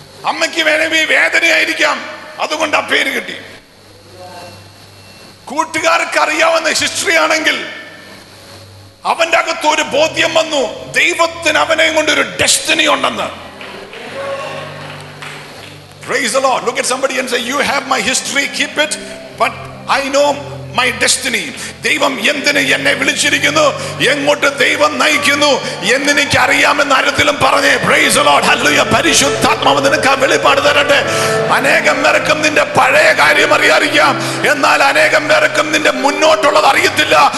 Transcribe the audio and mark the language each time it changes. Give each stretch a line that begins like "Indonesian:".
Malayalam: അമ്മയ്ക്ക് വേണമെങ്കിൽ വേദനയായിരിക്കാം, അതുകൊണ്ട് ആ പേര് കിട്ടി. കൂട്ടുകാർക്ക് അറിയാവുന്ന ഹിസ്റ്ററിയാണെങ്കിൽ അവന്റെ അകത്ത് ഒരു ബോധ്യം വന്നു, ദൈവത്തിന് അവനെ കൊണ്ട് ഒരു ഡെസ്റ്റിനി ഉണ്ടെന്ന്.
English: Praise the Lord. Look at somebody and say, you have my history, keep it, but I know my destiny.
Malayalam: ദൈവം എന്തിനെ എന്നെ വിളിച്ചിരിക്കുന്നു, എങ്ങോട്ട് ദൈവം നയിക്കുന്നു എന്നെനിക്ക് അറിയാമെന്ന് ആരെങ്കിലും പറഞ്ഞേ.
English: Praise the lord.
Malayalam: ഹല്ലേലൂയ. പരിശുദ്ധാത്മാവ് നിനക്ക് വെളിപാട് തരട്ടെ. അനേകം പേർക്കും നിന്റെ പഴയ കാര്യം അറിയാതിരിക്കാം, എന്നാൽ അനേകം പേർക്കും നിന്റെ മുന്നോട്ടുള്ളത് അറിയത്തില്ല.